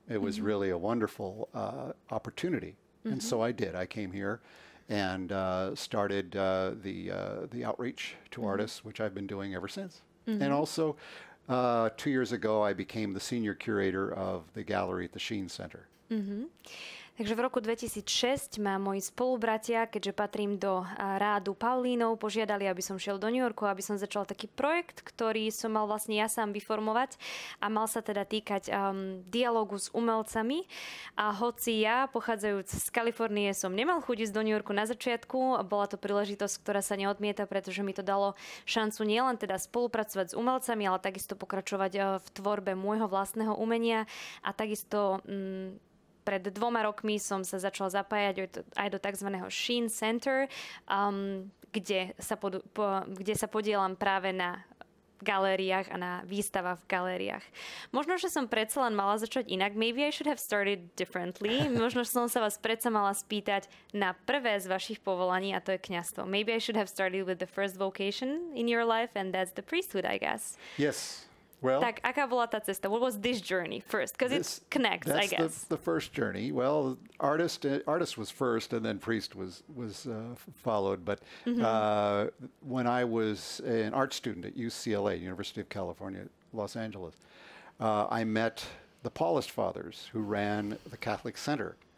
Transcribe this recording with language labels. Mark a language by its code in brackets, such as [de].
[en] It was really a wonderful opportunity. And so I did. I came here and started the outreach to artists, which I've been doing ever since. And also, 2 years ago, I became the senior curator of the gallery at the Sheen Center. [sk] Takže v roku 2006 ma moji spolubratia, keďže patrím do rádu Paulínov, požiadali, aby som šiel do New Yorku, aby som začal taký projekt, ktorý som mal vlastne ja sám vyformovať a mal sa teda týkať dialogu s umelcami. A hoci ja, pochádzajúc z Kalifornie, som nemal chuť ísť do New Yorku na začiatku, bola to príležitosť, ktorá sa neodmieta, pretože mi to dalo šancu nielen teda spolupracovať s umelcami, ale takisto pokračovať v tvorbe môjho vlastného umenia a takisto pred dvoma rokmi som sa začala zapájať aj do tzv. Sheen Center, kde sa podielam práve na galériách a na výstavách v galériách. Možno, že som predsa len mala začať inak. [en] Maybe I should have started differently. [sk] Možno, že som sa vás predsa mala spýtať na prvé z vašich povolaní, a to je kňazstvo. [en] Maybe I should have started with the first vocation in your life, and that's the priesthood, I guess. Yes. Well, [sk] tak, aká bola tá cesta? [en] What was this journey first? Because it connects, I guess. That's the first journey. Well, artist was first, and then priest was followed. But when I was an art student at UCLA, University of California, Los Angeles, I met the Paulist Fathers who ran the Catholic Center.